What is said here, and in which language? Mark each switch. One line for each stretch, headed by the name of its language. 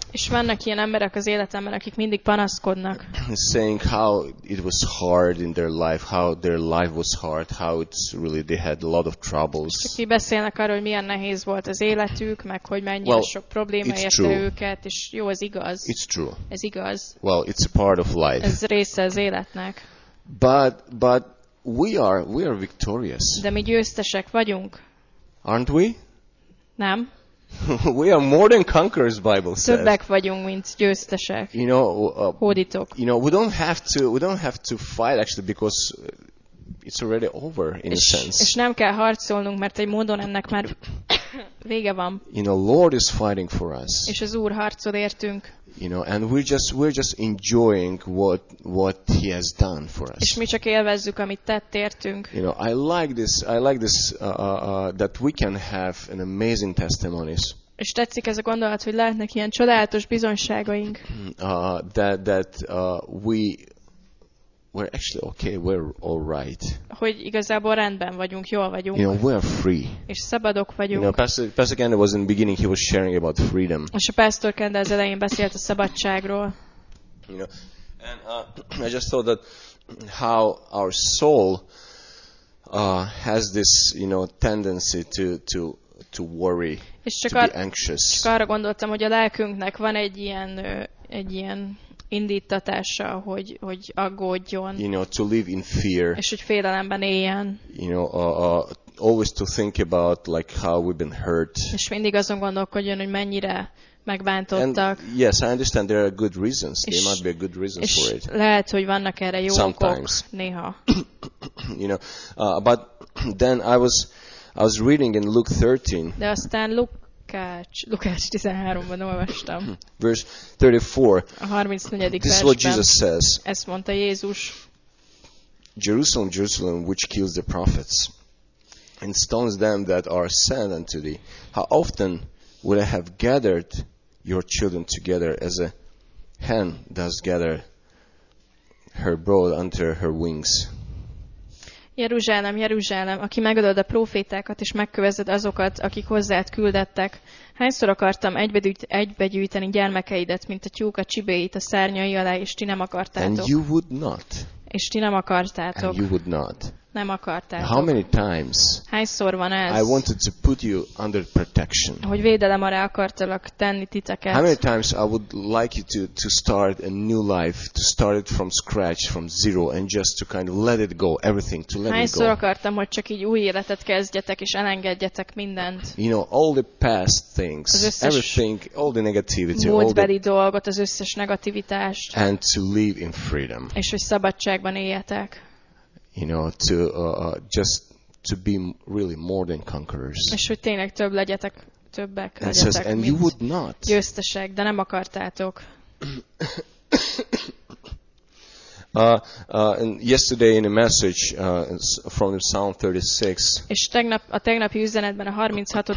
Hungarian: És vannak ilyen emberek az életemben, akik mindig panaszkodnak.
English: Saying how it was hard in their life, how their life was hard, how it's really they had a lot of troubles.
Hungarian: Aki beszélnek arról, hogy milyen nehéz volt az életük, meg hogy mennyire sok probléma érte őket, és jó, ez igaz.
English: It's true.
Hungarian: Ez igaz.
English: Well, it's a part of life.
Hungarian: Ez része az életnek.
English: But we are victorious.
Hungarian: De mi győztesek vagyunk.
English: Aren't we?
Hungarian: Nem.
English: We are more than conquerors, Bible says.
Hungarian: Többek vagyunk, mint győztesek.
English: You know,
Hungarian: hódítok.
English: You know, we don't have to fight actually because it's already over in a sense.
Hungarian: És nem kell harcolnunk, mert egy módon ennek már vége van.
English: You know, Lord is fighting for us.
Hungarian: És az Úr harcol értünk.
English: You know, and we're just enjoying what he has done for us.
Hungarian: És mi csak élvezzük, amit tett értünk.
English: You know, I like this that we can have an amazing testimonies.
Hungarian: És tetszik ez a gondolat, hogy lehetnek ilyen csodálatos bizonyságaink.
English: We're actually okay, we're all right.
Hungarian: Hogy igazából rendben vagyunk, jól vagyunk.
English: You know, we're free.
Hungarian: És szabadok vagyunk.
English: You know, Pastor Kendall was in the beginning, he was sharing about freedom.
Hungarian: És a Pastor Kendall az elején beszélt a szabadságról.
English: You know, and I just thought that how our soul has this, you know, tendency to worry, to be anxious.
Hungarian: Csak arra gondoltam, hogy a lelkünknek van egy ilyen indítatása, hogy aggódjon.
English: You know, to live in fear.
Hungarian: És hogy félelemben éljen.
English: You know, always to think about like how we've been hurt.
Hungarian: És mindig azon gondolkodjon, hogy mennyire megbántottak.
English: And, yes, I understand there are good reasons. There might be a good reason for it.
Hungarian: Lehet, hogy vannak erre jó okok néha.
English: You know, but then I was reading in Luke 13.
Hungarian: De aztán Lukács 13-ban olvastam.
English: Verse 34.
Hungarian: A 34.
English: This is what Jesus says.
Hungarian: Ezt mondta Jézus.
English: Jerusalem, Jerusalem, which kills the prophets and stones them that are sent unto thee. How often would I have gathered your children together as a hen does gather her brood under her wings.
Hungarian: Jeruzsálem, Jeruzsálem, aki megölöd a prófétákat, és megkövezed azokat, akik hozzád küldettek. Hányszor akartam egybegyűjteni gyermekeidet, mint a tyúk a csibéit a szárnyai alá, és ti nem akartátok.
English: And you would not.
Hungarian: És ti nem akartátok.
English: And you would not.
Hungarian: Nem akartátok.
English: How many times?
Hungarian: Hányszor van ez?
English: I wanted to put you under protection.
Hungarian: Hogy védelem arra akartalak tenni titeket.
English: How many times I would like you to start a new life, to start it from scratch, from zero, and just to kind of let it go, everything, to let it go.
Hungarian: Hányszor akartam, hogy csak így új életet kezdjetek és elengedjetek mindent.
English: You know, all the past things, everything, all the negativity,
Hungarian: Módbeli dolgot, az összes negativitást.
English: And to live in freedom.
Hungarian: És hogy szabadságban éljetek.
English: You know, to just to be really more than conquerors.
Hungarian: És hogy tényleg több legyetek, többek legyetek.
English: And says, and you would not.
Hungarian: Győztesek, de nem akartátok.
English: And yesterday in a message from the Psalm 36.
Hungarian: És a tegnapi üzenetben a 36.